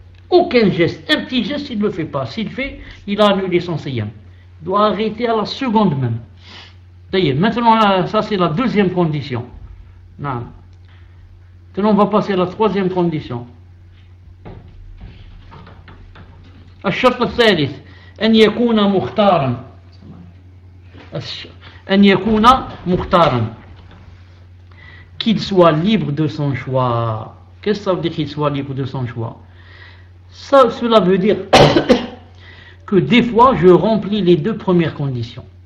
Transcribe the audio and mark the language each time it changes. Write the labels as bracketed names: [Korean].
[French] Aucun geste, un petit geste, il ne le fait pas. S'il fait, il a annulé son siyam. Il doit arrêter à la seconde même. D'ailleurs, maintenant, ça c'est la deuxième condition. Non. Maintenant, on va passer à la troisième condition. [Arabic] الشرط الثالث أن يكون مختارا. أن يكون مختارا. [French] Qu'il soit libre de son choix. Qu'est-ce que ça veut dire qu'il soit libre de son choix? Ça, cela veut dire que des fois, je remplis les deux premières conditions.